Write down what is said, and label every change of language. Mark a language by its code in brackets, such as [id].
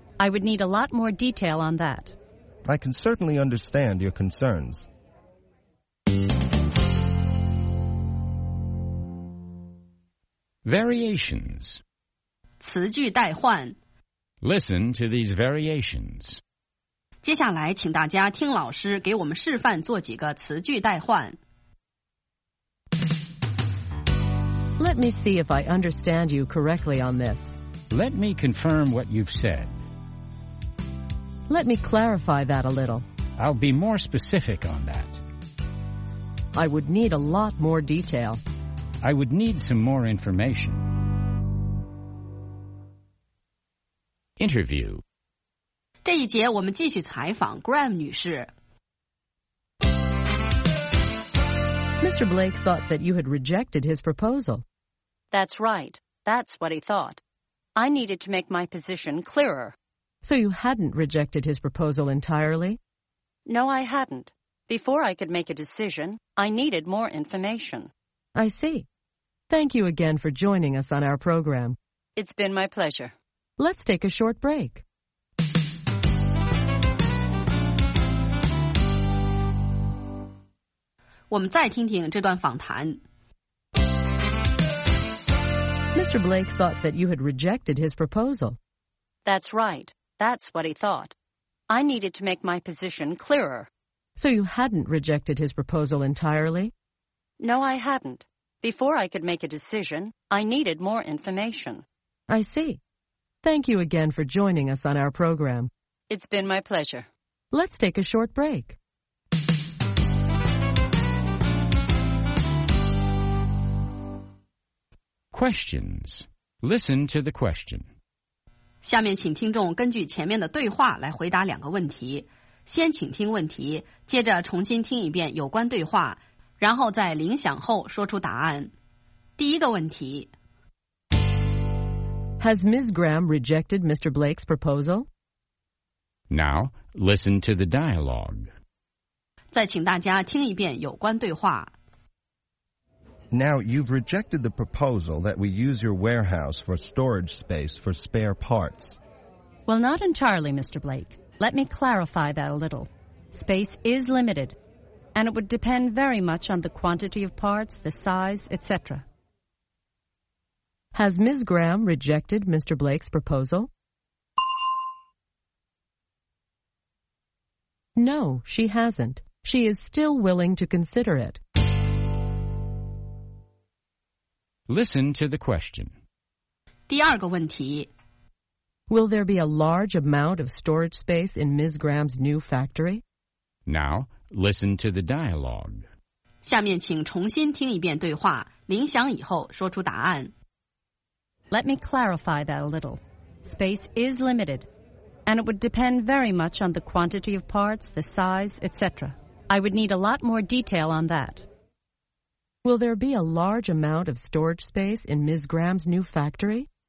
[en] I would need a lot more detail on that. I can certainly understand your concerns. Variations. [zh] 词句代换 [en] Listen to these variations. [zh] 接下来请大家听老师给我们示范做几个词句代换。 [en] Let me see if I understand you correctly on this. Let me confirm what you've said. Let me clarify that a little. I'll be more specific on that. I would need a lot more detail. I would need some more information. Interview. [zh] 这一节我们继续采访 Graham 女士。 [en] Mr. Blake thought that you had rejected his proposal. That's right. That's what he thought. I needed to make my position clearer. So you hadn't rejected his proposal entirely? No, I hadn't. Before I could make a decision, I needed more information. I see. Thank you again for joining us on our program. It's been my pleasure. Let's take a short break. We'll [zh] 再听听这段访谈。 [en] Mr. Blake thought that you had rejected his proposal. That's right. That's what he thought. I needed to make my position clearer. So you hadn't rejected his proposal entirely? No, I hadn't. Before I could make a decision, I needed more information. I see. Thank you again for joining us on our program. It's been my pleasure. Let's take a short break. Questions. Listen to the question. [zh] 下面请听众根据前面的对话来回答两个问题。先请听问题，接着重新听一遍有关对话，然后在铃响后说出答案。第一个问题。 [en] Has Ms. Graham rejected Mr. Blake's proposal? Now, listen to the dialogue. [zh] 再请大家听一遍有关对话。 [en] Now, you've rejected the proposal that we use your warehouse for storage space for spare parts. Well, not entirely, Mr. Blake. Let me clarify that a little. Space is limited, and it would depend very much on the quantity of parts, the size, etc. Has Ms. Graham rejected Mr. Blake's proposal? No, she hasn't. She is still willing to consider it. Listen to the question. [zh] 第二个问题。 [en] Will there be a large amount of storage space in Ms. Graham's new factory? Now, listen to the dialogue. [zh] 下面请重新听一遍对话，铃响以后说出答案。 [en] Let me clarify that a little. Space is limited, and it would depend very much on the quantity of parts, the size, etc. I would need a lot more detail on that. Will there be a large amount of storage space in Ms. Graham's new factory?